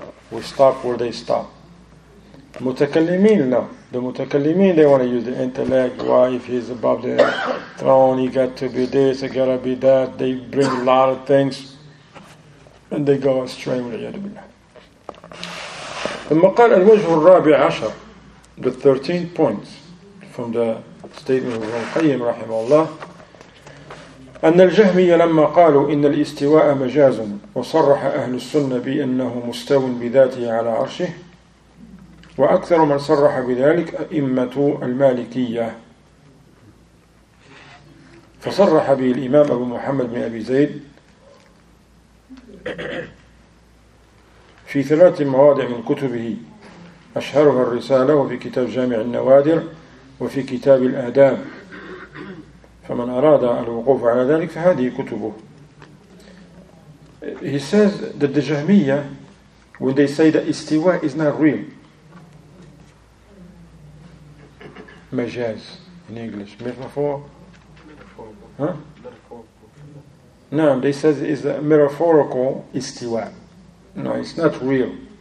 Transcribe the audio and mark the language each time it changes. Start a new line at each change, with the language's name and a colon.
English: We stop where they stop. Mutakallimeen, no. The Mutakallimeen, they want to use the intellect. Why, if he's above the throne, he got to be this, he got to be that. They bring a lot of things, and they go astray with the Yadubillah. The Maqal al-Wajh al-Rabi Ashar, the 13th point from the statement of Al-Qayyim, rahimahullah,
Arabic: أن الجهمية لما قالوا إن الاستواء مجاز وصرح أهل السنة بأنه مستو بذاته على عرشه وأكثر من صرح بذلك أئمة المالكية فصرح به الإمام أبو محمد بن أبي زيد في ثلاث مواضع من كتبه أشهرها الرسالة وفي كتاب جامع النوادر وفي كتاب الآداب فمن أراد الوقوف على ذلك فهذه كتبه.
English: He says that the Jahmiyyah, when they say that istiwa is not real, majaz in English, metaphorical. They says it's a metaphorical istiwa. No, it's not real.